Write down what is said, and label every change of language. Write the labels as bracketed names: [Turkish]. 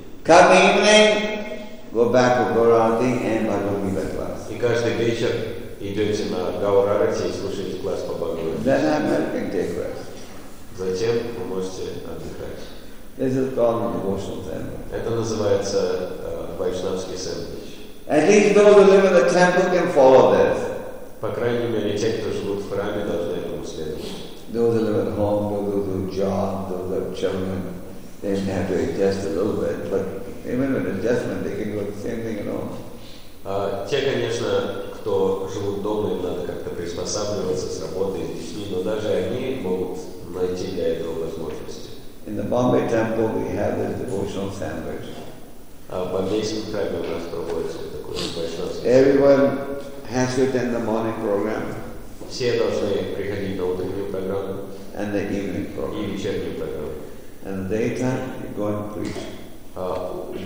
[English] Come evening, go back to Gaurarati and Bhagavad Gita class. [Russian] И каждый вечер идете на Гаурарати и слушаете класс по Бхагавад-гите. Затем вы можете отдыхать. [English] This is called devotional sandwich. [Russian] Это называется вайшнавский сэндвич. [English] At least those who live in the temple can follow this. [Russian] По крайней мере, те, кто живут в храме, должны этому следовать. [English] Those who live at home, those who do job, those who have children, they may have to adjust a little bit, but even with adjustment, they can do the same thing at home. [Russian] Те, конечно, кто живут дома, им надо как-то приспосабливаться с работой, с детьми, но даже они могут найти для этого возможности. [English] In the Bombay temple, we have this devotional sandwich. [Russian] В Бомбейском храме у нас проводится вот такой небольшой сандвич. [English] Everyone has to attend the morning program. [Russian] Все должны приходить на утреннюю программу. [English] And the evening program. [Russian] И вечернюю программу. [English] And the daytime, you go and preach.